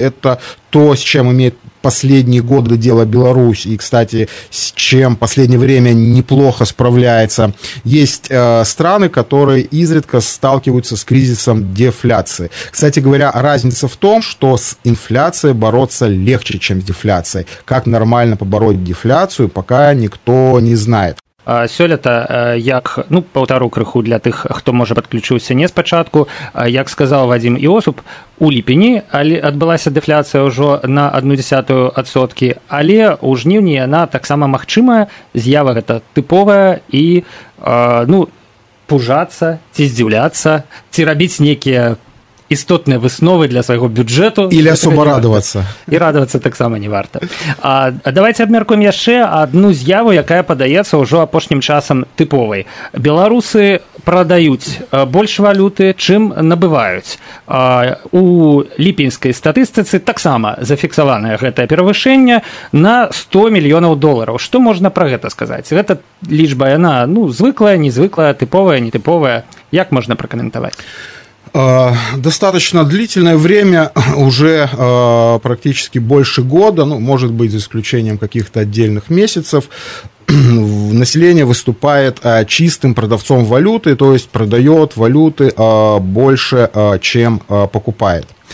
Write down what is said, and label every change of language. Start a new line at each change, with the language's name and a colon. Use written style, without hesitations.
Russian: Это то, с чем имеет последние годы дело Беларусь, и, кстати, с чем последнее время неплохо справляется. Есть страны, которые изредка сталкиваются с кризисом дефляции. Кстати говоря, разница в том, что с инфляцией бороться легче, чем с дефляцией. Как нормально побороть дефляцию, пока никто не знает.
Belarusian: Сёлета, як, ну, паўтару крыху для тых, хто можа падключыўся не спачатку, як сказаў Вадзім Іосіп, у ліпені адбылася дэфляцыя ўжо на 0,1%, але ў жніўні яна таксама магчымая, з'ява гэта тыповая, і, ну, пужацца ці здзіўляцца, ці рабіць некія істотныя высновы для свайго бюджэту. Или асоба радавацца. І радавацца таксама не варта. Давайте абмяркуем яшчэ адну з'яву, якая падаецца ўжо апошнім часам тыповай. Беларусы прадаюць больш валюты, чым набываюць. У ліпеньскай статыстыцы таксама зафіксаванае гэтае перавышэнне на 100 мільёнаў долараў. Што можна пра гэта сказаць? Гэта лічба, яна, ну, звыклая, незвыклая, тыповая, нетыповая. Як можна пракаментаваць?
Russian: Достаточно длительное время, уже практически больше года, ну, может быть, за исключением каких-то отдельных месяцев, население выступает чистым продавцом валюты, то есть продает валюты больше, чем покупает.